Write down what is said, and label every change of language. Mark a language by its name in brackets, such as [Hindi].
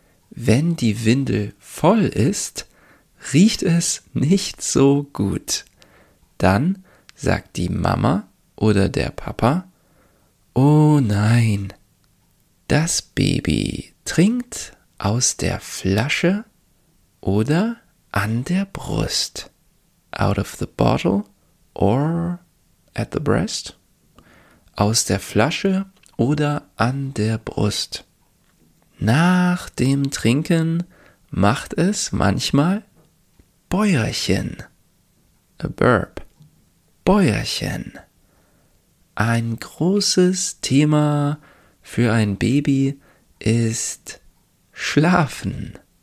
[German] Wenn die Windel voll ist, riecht es nicht so gut. Dann sagt die Mama oder der Papa: Oh nein, das Baby trinkt aus der Flasche oder an der Brust. [English] Out of the bottle or at the breast. [German] Aus der Flasche oder an der Brust. Nach dem Trinken macht es manchmal Bäuerchen. [English] A burp. [German] Bäuerchen. Ein großes Thema für ein Baby ist Schlafen.